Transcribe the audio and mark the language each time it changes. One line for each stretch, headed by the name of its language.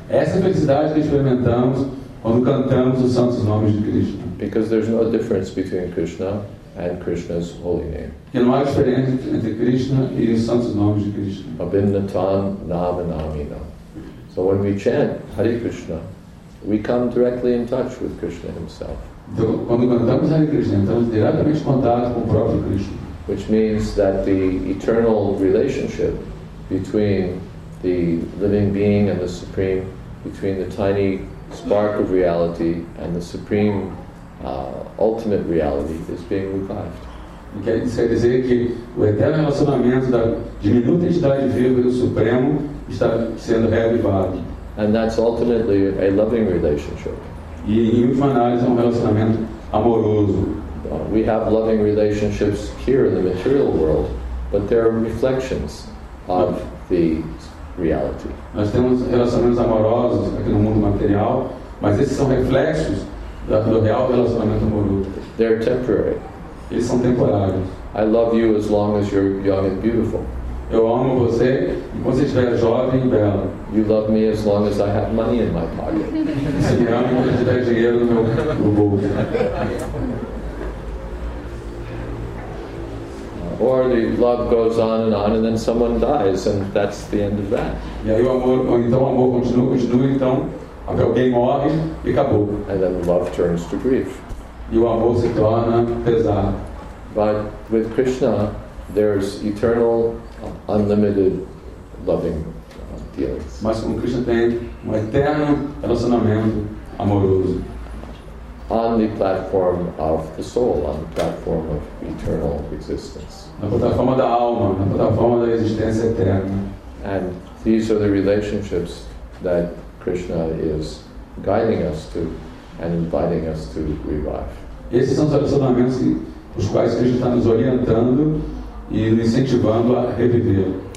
Portuguese: Essa felicidade que experimentamos quando cantamos os santos nomes de Krishna.
English: Because there's no difference between Krishna and Krishna's holy name.
Portuguese: Porque não há diferença entre Krishna e os santos nomes de Krishna.
Sanskrit: Abhinatan Navanamina.
English: So when we chant Hare Krishna, we come directly in touch with Krishna himself.
Portuguese: Então, quando cantamos Hare Krishna, estamos diretamente em contato com o próprio Krishna.
English: Which means that the eternal relationship between the living being and the supreme, between the tiny spark of reality and the supreme ultimate reality is being revived.
Portuguese: Quer dizer que o eterno relacionamento da diminuta entidade viva e o supremo está sendo reavivado.
English: And that's ultimately a loving relationship.
Portuguese: E em última análise é um relacionamento amoroso.
English: We have loving relationships here in the material world, but there are reflections of the reality.
Portuguese: Nós temos relacionamentos amorosos aqui no mundo material, mas esses são reflexos do real relacionamento amoroso.
English: They're temporary.
Portuguese: Eles são temporários.
English: I love you as long as you're young and beautiful.
Portuguese: Eu amo você enquanto você estiver jovem e bela.
English: You love me as long as I have money in my pocket.
Portuguese: Você me ama enquanto tiver dinheiro no bolso.
English: Or the love goes on and then someone dies and that's the end of that.
Portuguese: E aí o amor continua, então alguém morre e acabou.
English: And then love turns to grief.
Portuguese: E o amor se torna pesado.
English: But with Krishna, there's eternal, unlimited, loving dealings.
Portuguese: Mas com Krishna tem eterno relacionamento amoroso.
English: On the platform of the soul, on the platform of eternal existence.
Portuguese: Na plataforma da alma, na plataforma da existência eterna.
English: And these are the relationships that Krishna is guiding us to and inviting us to revive.
Portuguese: Esses são os relacionamentos os quais Krishna está nos orientando e nos incentivando a reviver.